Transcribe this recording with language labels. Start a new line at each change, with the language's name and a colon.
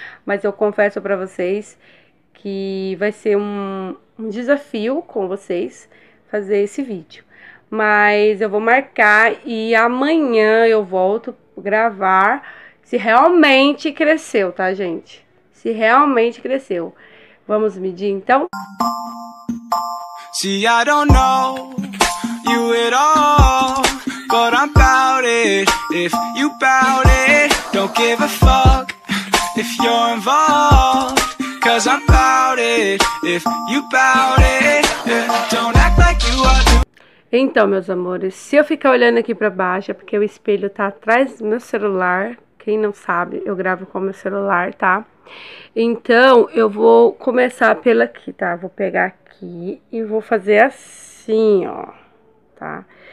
Portuguese: Mas eu confesso para vocês que vai ser um desafio com vocês fazer esse vídeo. Mas eu vou marcar e amanhã eu volto gravar se realmente cresceu, tá, gente? Se realmente cresceu. Vamos medir então?
English: See, I don't know you at all, but I'm about it. If you about it, don't give a fuck if you're involved, 'cause I'm about it. If you about it, don't act like you are.
Portuguese: Então, meus amores, se eu ficar olhando aqui para baixo, é porque o espelho tá atrás do meu celular. Quem não sabe, eu gravo com o meu celular, tá? Então, eu vou começar pelo aqui, tá? Vou pegar aqui e vou fazer assim, ó, tá?